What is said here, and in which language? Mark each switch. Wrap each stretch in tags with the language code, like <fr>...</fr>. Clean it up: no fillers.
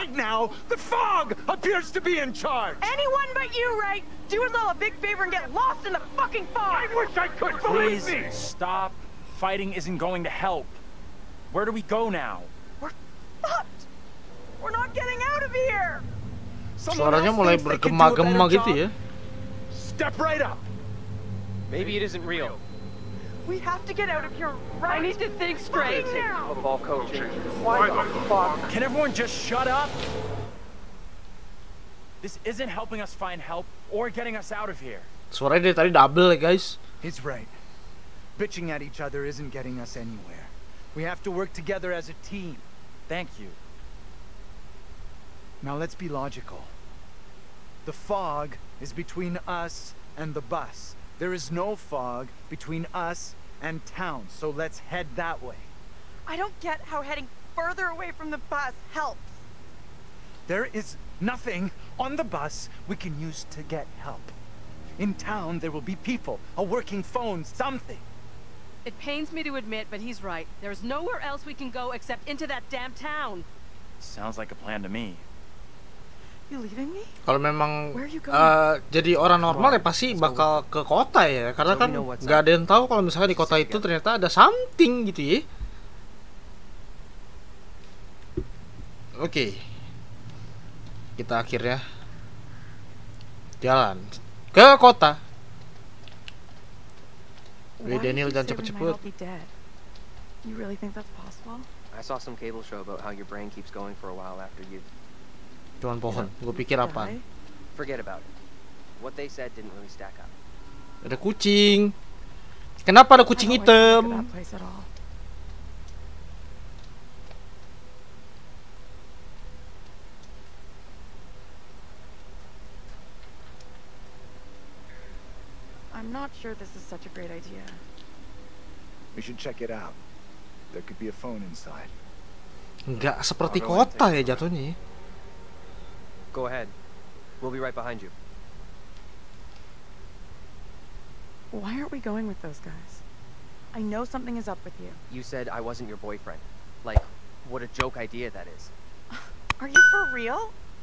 <en>Right now, the fog appears to be in charge. Anyone but you, right? Do us all a big favor and get lost in the fucking fog. I wish I could. Please, believe me. Please, stop. Fighting isn't going to help. Where do we go now? We're fucked. We're not getting out of here.</en> <id>Suaranya mulai bergema-gema gitu ya.</id> <en>Step right up. Maybe it isn't real. We have to get out of here right now. I need to think straight. Football coaching. Why the fuck? Can everyone just shut up? This isn't helping us find help or getting us out of here.</en> <id>Suara dia tadi double, guys.</id> <en>He's right. Bitching at each other isn't getting us anywhere. We have to work together as a team. Thank you. Now let's be logical. The fog is between us and the bus. There is no fog between us and town, so let's head that way. I don't get how heading further away from the bus helps. There is nothing on the bus we can use to get help. In town, there will be people, a working phone, something. It pains me to admit, but he's right. There is nowhere else we can go except into that damn town. Sounds like a plan to me. You leaving me?</en> <id>Kalau memang jadi orang normal ya pasti bakal ke kota ya, karena kan nggak ada yang tahu kalau misalnya di kota itu ternyata ada something gitu ya. Oke, kita akhirnya jalan ke kota. Wih, Daniel jangan cepet-cepet.</id> <en>You really think that's possible? I saw some cable show about how your brain keeps going for a while after you.</en> <id>Cuman pohon, gue pikir apa?</id> <en>Forget about it. What they said didn't really stack up.</en> <id>Ada kucing. Kenapa ada kucing hitam?</id> <en>I'm not sure this is such a great idea. We should check it out. There could be a phone inside.</en> <id>Enggak seperti kota ya jatuhnya.</id> <en>Go ahead. We'll be right behind you. Why aren't we going with those guys? I know something is up with you. You said I wasn't your boyfriend. Like, what a joke idea that is. Are you for real?</en>